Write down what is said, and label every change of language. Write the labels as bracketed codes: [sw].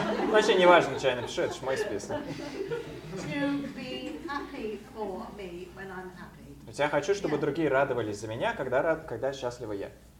[ru] Вообще не важно, что я напишу, это же мой список. [en] To be happy for me when I'm happy. [ru] Ведь я хочу, чтобы другие радовались за меня, когда счастлива я.